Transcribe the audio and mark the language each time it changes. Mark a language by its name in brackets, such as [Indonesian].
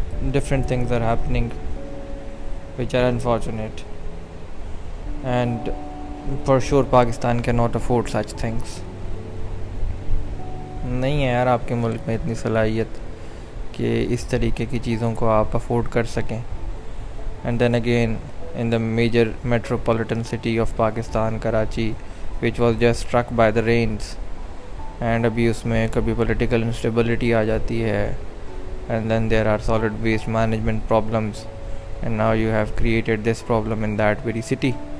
[English] Different things are happening which are unfortunate, and for sure Pakistan cannot afford such things. [Urdu] نہیں ہے یار آپ کے ملک میں اتنی صلاحیت کہ اس طریقے کی چیزوں کو آپ افورڈ کر سکیں. [English] And then again in the major metropolitan city of Pakistan, Karachi, which was just struck by the rains, and [Urdu] abhi usme kabhi political instability aa jati hai, [English] and then there are solid waste management problems, and now you have created this problem in that very city.